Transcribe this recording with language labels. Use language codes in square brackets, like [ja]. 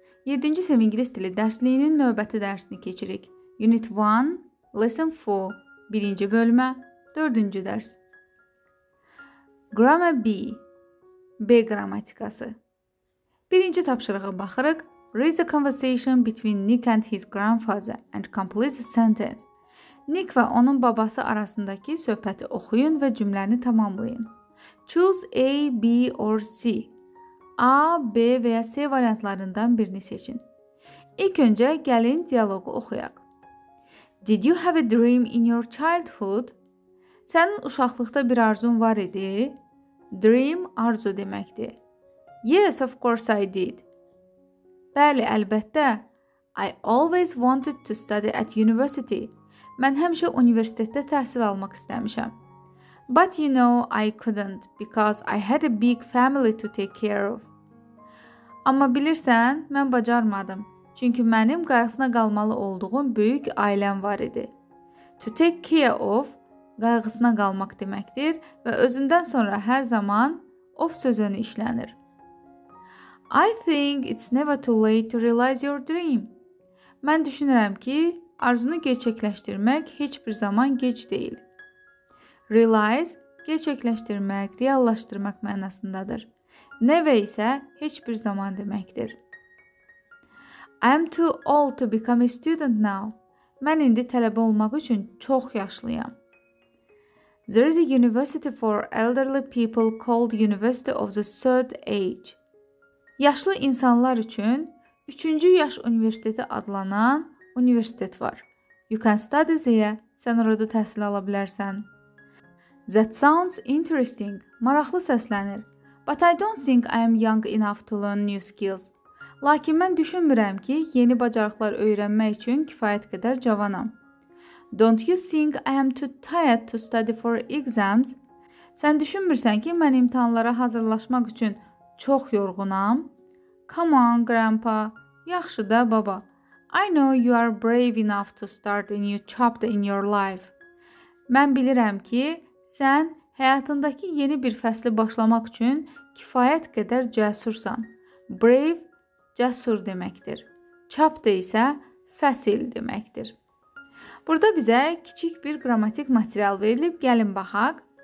[az] 7-ci sinif ingilis dili dərsliyinin növbəti dərsini keçirik. [en] Unit 1, Lesson 4, [az] 1-ci bölmə, 4-cü dərs. [en] Grammar B, [az] B qrammatikası. 1-ci tapşırığa baxırıq. [en] Read the conversation between Nick and his grandfather and complete the sentence. [az] Nick və onun babası arasındakı söhbəti oxuyun və cümləni tamamlayın. [en] Choose A, B or C. [az] A, B və ya C variantlarından birini seçin. İlk öncə gəlin dialoqu oxuyaq. [en] Did you have a dream in your childhood? [az] Sənin uşaqlıqda bir arzun var idi? [en] Dream arzu deməkdir. Yes, of course I did. [az] Bəli, əlbəttə. [en] I always wanted to study at university. [az] Mən həmişə universitetdə təhsil almaq istəmişəm. [en] But you know, I couldn't because I had a big family to take care of. [az] Amma bilirsən, mən bacarmadım. Çünki mənim qayğısına qalmalı olduğum böyük ailəm var idi. [en] To take care of, [az] qayğısına qalmaq deməkdir və özündən sonra hər zaman of sözünü işlənir. [en] I think it's never too late to realize your dream. [az] Mən düşünürəm ki, arzunu gerçəkləşdirmək heç bir zaman gec deyil. Realize, gerçəkləşdirmək, reallaşdırmaq mənasındadır. Never isə heç bir zaman deməkdir. [en] I'm too old to become a student now. [az] Mən indi tələbə olmaq üçün çox yaşlıyam. [en] There is a university for elderly people called University of the Third Age. [az] Yaşlı insanlar üçün 3-cü yaş universiteti adlanan universitet var. [en] You can study there. [az] Sən orada təhsil ala bilərsən. [en] That sounds interesting. [az] Maraqlı səslənir. [en] But I don't think I am young enough to learn new skills. [az] Lakin mən düşünmürəm ki, yeni bacarıqlar öyrənmək üçün kifayət qədər cavanam. [en] Don't you think I am too tired to study for exams? [az] Sən düşünmürsən ki, mən imtahanlara hazırlaşmaq üçün çox yorğunam. [en] Come on, Grandpa. [az] Yaxşı da, baba. [en] I know you are brave enough to start a new chapter in your life. [az] Mən bilirəm ki, sən həyatındakı yeni bir fəsli başlamaq üçün kifayət qədər cəsursan. Brave, cəsur deməkdir. Chapter isə fəsil deməkdir. Burada bizə kiçik bir qrammatik material verilib, gəlin baxaq.